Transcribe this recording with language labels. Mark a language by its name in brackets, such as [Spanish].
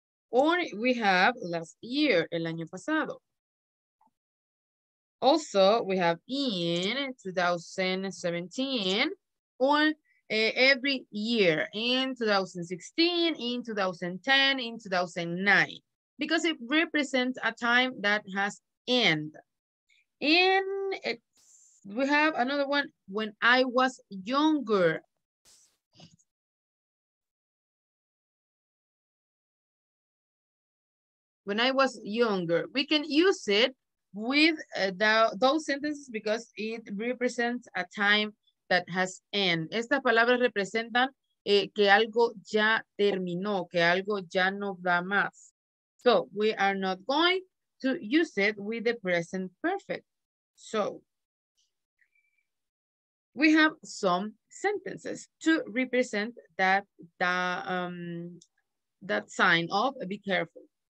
[English] Or we have last year, [Spanish] el año pasado. [English] Also, we have in 2017 or every year in 2016, in 2010, in 2009, because it represents a time that has end. In it, we have another one, when I was younger. When I was younger, we can use it with those sentences because it represents a time that has end. [Spanish] Estas palabras representan que algo ya terminó, que algo ya no va más. [English] So we are not going to use it with the present perfect. So we have some sentences to represent that sign of be careful.